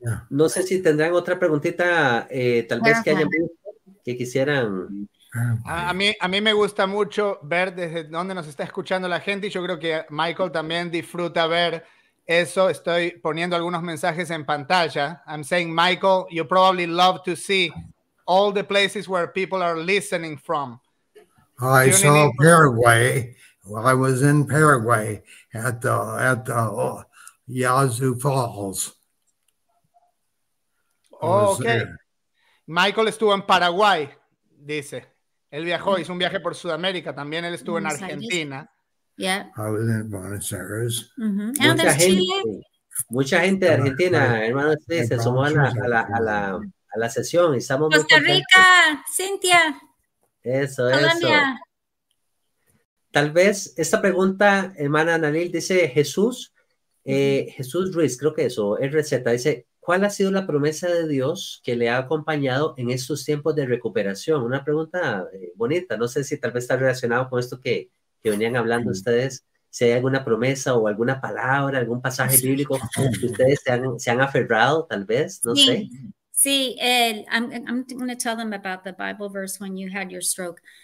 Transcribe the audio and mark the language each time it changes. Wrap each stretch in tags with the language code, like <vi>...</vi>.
<es>No sé si tendrán otra preguntita, tal vez que hayan que quisieran. A mí me gusta mucho ver desde dónde nos está escuchando la gente, y yo creo que Michael también disfruta ver eso. Estoy poniendo algunos mensajes en pantalla.</es> <en>I'm saying, Michael, you probably love to see all the places where people are listening from. I saw Paraguay. Well, I was in Paraguay at the Yazoo Falls. Okay.</en> <es>Michael estuvo en Paraguay, dice. Él viajó, hizo un viaje por Sudamérica. También él estuvo en Argentina.</es> <en>Yeah. I was in Buenos Aires. Mm-hmm. And there's Chile.</en> <es>Mucha gente de Argentina, hermano, se sumó a la sesión. Estamos Costa muy Rica, Cintia. Colombia. Tal vez esta pregunta, hermana Analil, dice Jesús, Jesús Ruiz, creo que eso, RZ, dice: ¿cuál ha sido la promesa de Dios que le ha acompañado en estos tiempos de recuperación? Una pregunta bonita. No sé si tal vez está relacionado con esto que venían hablando ustedes. Si hay alguna promesa o alguna palabra, algún pasaje bíblico que ustedes se han aferrado, tal vez, no sé.</es> <en>Sí, I'm going to tell them about the Bible verse when you had your stroke.</en>